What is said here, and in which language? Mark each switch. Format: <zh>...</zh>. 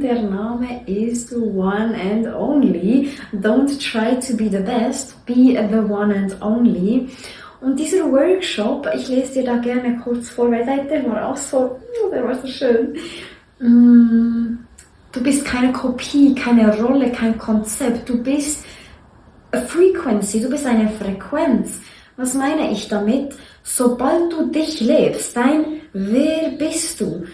<de>Der Name ist One and Only.</de> <en>Don't try to be the best, be the one and only.</en> <de>Und dieser Workshop, ich lese dir da gerne kurz vor, weil der war so schön. Du bist keine Kopie, keine Rolle, kein Konzept. Du bist</de> <en>a frequency,</en> <de>du bist eine Frequenz. Was meine ich damit? Sobald du dich lebst, dein Wer bist du?</de>